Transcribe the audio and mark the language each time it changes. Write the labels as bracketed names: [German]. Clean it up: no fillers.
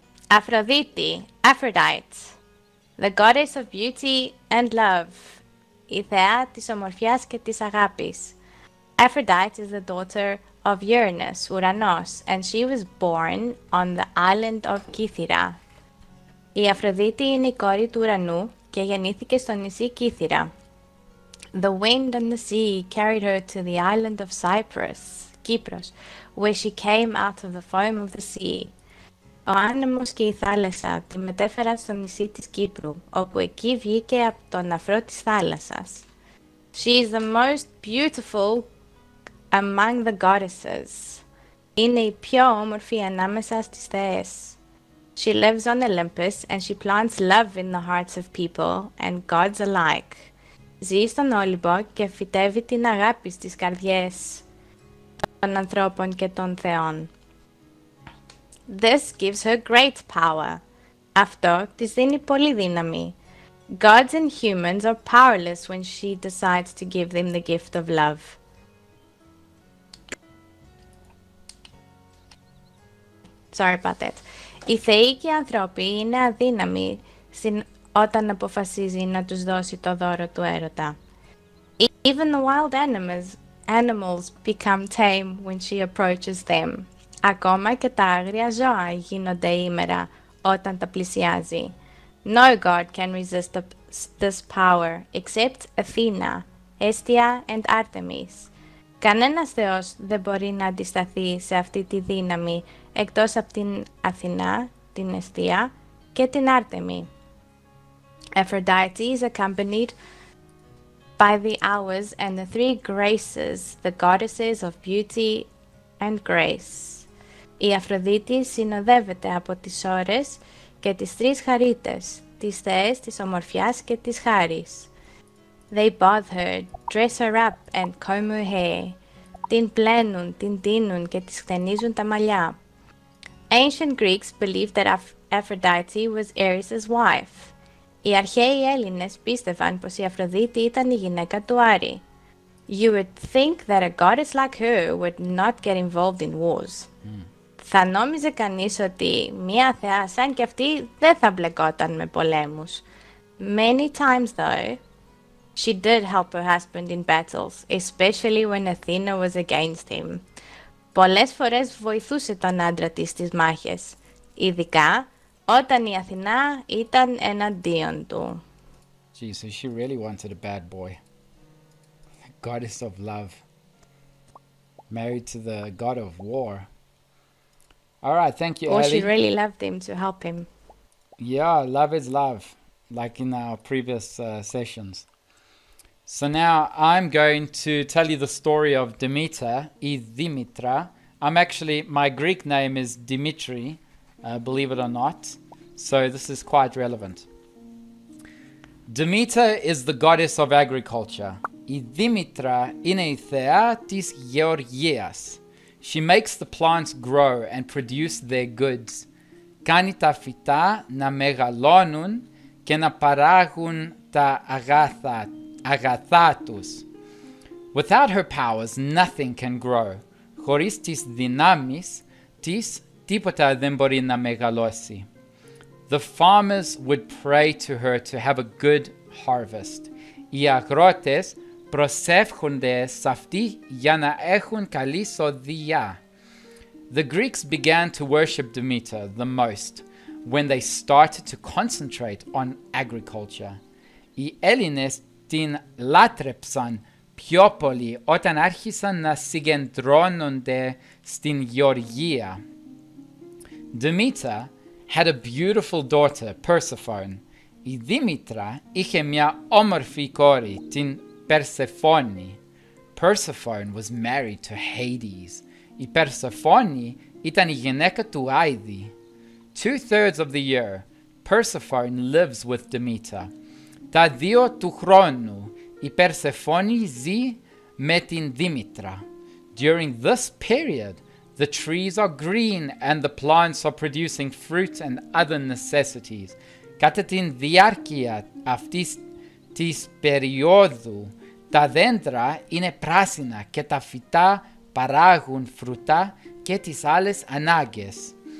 [English] Aphrodite, Aphrodite, the goddess of beauty and love, [Greek] η θεά της ομορφιάς και της αγάπης. [English] Aphrodite is the daughter of Uranus, Ουρανός, and she was born on the island of Κύθυρα. [Greek] Η Αφροδίτη είναι η κόρη του Ουρανού και γεννήθηκε στο νησί Κύθυρα. [English] The wind and the sea carried her to the island of Cyprus, Κύπρος, where she came out of the foam of the sea. [Greek] Ο άνεμος και η θάλασσα τη μετέφεραν στο νησί της Κύπρου, όπου εκεί βγήκε από τον αφρό της θάλασσας. [English] She is the most beautiful among the goddesses. [Greek] Είναι η πιο όμορφη ανάμεσα στις θεές. [English] She lives on Olympus and she plants love in the hearts of people and gods alike. [Greek] Ζει στον Όλυμπο και φυτεύει την αγάπη στις καρδιές των ανθρώπων και των θεών. [English] This gives her great power. [Greek] Αυτό της δίνει πολύ δύναμη. [English] Gods and humans are powerless when she decides to give them the gift of love. Sorry about that. [Greek] Οι θεοί και οι ανθρώποι είναι αδύναμοι όταν αποφασίζει να τους δώσει το δώρο του έρωτα. [English] Even the wild animals become tame when she approaches them. [Greek] Ακόμα και τα άγρια ζώα γίνονται ήμερα όταν τα πλησιάζει. [English] No god can resist this power, except Athena, Hestia and Artemis. [Greek] Κανένας θεός δεν μπορεί να αντισταθεί σε αυτή τη δύναμη, εκτός από την Αθηνά, την Εστία και την Άρτεμη. [English] Aphrodite is accompanied by the hours and the three graces, the goddesses of beauty and grace. [Greek] Η Αφροδίτη συνοδεύεται από τις ώρες και τις τρεις χαρίτες, τις θεές της ομορφιάς και της χάρης. [English] They bath her, dress her up and comb her hair. [Greek] Την πλένουν, την τίνουν και της χτενίζουν τα μαλλιά. [English] Ancient Greeks believed that Aphrodite was Ares's wife. [Greek] Οι αρχαίοι Έλληνες πίστευαν πως η Αφροδίτη ήταν η γυναίκα του Άρη. [English] You would think that a goddess like her would not get involved in wars. [Greek] Θα νόμιζε κανείς ότι μία θεά σαν κι αυτή δεν θα μπλεκόταν με πολέμους. [English] Many times though, she did help her husband in battles, especially when Athena was against him. [Greek] Πολλές φορές βοηθούσε τον άντρα της στις μάχες, ειδικά όταν η Αθηνά ήταν εναντίον του. [English] Jesus, she really wanted a bad boy. The goddess of love. Married to the god of war. All right, thank you, Ellie. She really loved him to help him. Yeah, love is love, like in our previous sessions. So now I'm going to tell you the story of Demeter, Dimitra. My Greek name is Dimitri, believe it or not. So this is quite relevant. Demeter is the goddess of agriculture. [Greek] Dimitra είναι η θεά της γεωργίας. [English] She makes the plants grow and produce their goods. [Greek] Κάνει τα φυτά να μεγαλώνουν και να παράγουν τα αγαθά τους. [English] Without her powers, nothing can grow. [Greek] Χωρίς τις δυνάμεις της, τίποτα δεν μπορεί να μεγαλώσει. [English] The farmers would pray to her to have a good harvest. [Greek] Οι αγρότες προσεύχονται σ' αυτή για να έχουν καλή σωδιά. [English] The Greeks began to worship Demeter the most when they started to concentrate on agriculture. [Greek] Οι Έλληνες την λάτρεψαν πιο πολύ όταν άρχισαν να συγκεντρώνονται στην γεωργία. [English] Demeter had a beautiful daughter, Persephone. [Greek] Η Δήμητρα είχε μια όμορφη κόρη, την Persephone. [English] Persephone was married to Hades. [Greek] Η Περσεφόνη ήταν η γυναίκα του Άιδη. [English] 2/3 of the year, Persephone lives with Demeter. [Greek] Τα δύο του χρόνου, η Περσεφόνη ζει με την Δήμητρα. [English] During this period, the trees are green and the plants are producing fruit and other necessities. [Greek] Κατά την διάρκεια αυτής της περίοδου, τα δέντρα είναι πράσινα και τα φυτά παράγουν φρούτα και τις άλλες ανάγκες.